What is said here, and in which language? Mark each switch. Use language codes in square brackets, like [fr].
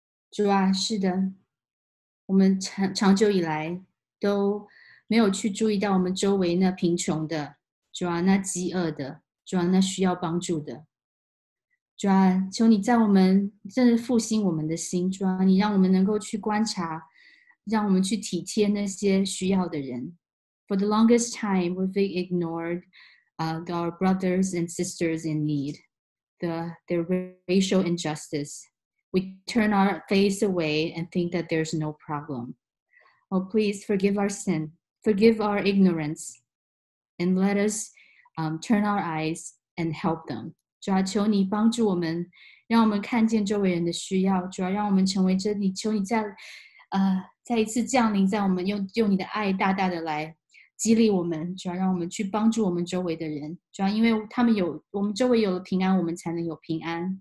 [zh] 主啊，是的，我们 长久以来都没有去注意到我们周围那贫穷的，主啊，那饥饿的，主啊，那需要帮助的。主啊，求你在我们正复兴我们的心，主啊，你让我们能够去观察，让我们去体贴那些需要的人。 [en] For the longest time, we've ignored our brothers and sisters in need, the racial injustice. We turn our face away and think that there's no problem. Oh, please forgive our sin, forgive our ignorance, and let us turn our eyes and help them. [zh] 主啊，求你帮助我们，让我们看见周围人的需要。主啊，让我们成为真理。求你再一次降临在我们，用你的爱大大的来激励我们。主啊，让我们去帮助我们周围的人。主啊，因为他们有我们周围有了平安，我们才能有平安。